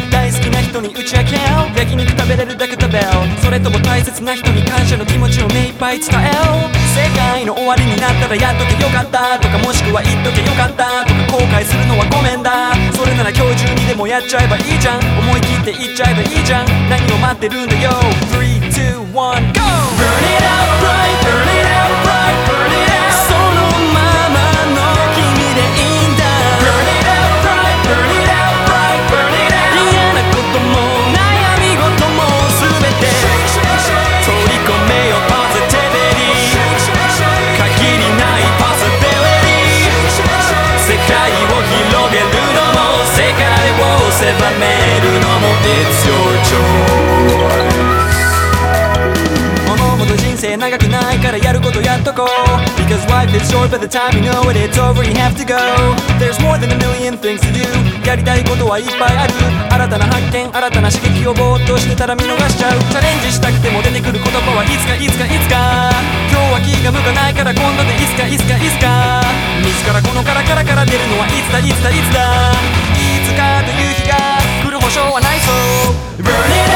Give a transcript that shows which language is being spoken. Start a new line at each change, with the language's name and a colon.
Japanese: 大好きな人に打ち明けよう。焼肉食べれるだけ食べよう。それとも大切な人に感謝の気持ちを目いっぱい伝えよう。世界の終わりになったらやっとけよかったとか、もしくは言っとけよかったとか、後悔するのはごめんだ。それなら今日中にでもやっちゃえばいいじゃん。思い切って言っちゃえばいいじゃん。何を待ってるんだよ。 3, 2, 1, GO!
English: Burn it out bright, burn it out bright, burn it out.
Japanese: そのままの君でいいんだ。
English: Burn it out bright, burn it out bright, burn it out.
Japanese: 嫌なことも悩み事も全て取り込めよ。 Positivity 限りない Possibility 世界を広げるのも、世界を狭めるのも、 It's your choice。長くないからやることやっとこう。
English: Because life is short, but the time you know it, it's over, you have to go. There's more than a million things to do.
Japanese: やりたいことはいっぱいある。新たな発見、新たな刺激をぼーっとしてたら見逃しちゃう。チャレンジしたくても出てくる言葉はいつかいつかいつか。今日は気が向かないから今度でいつかいつかいつか。自らこのカラカラから出るのはいつだいつだいつだ。いつかという日が来る保証はないぞ。 Burn it out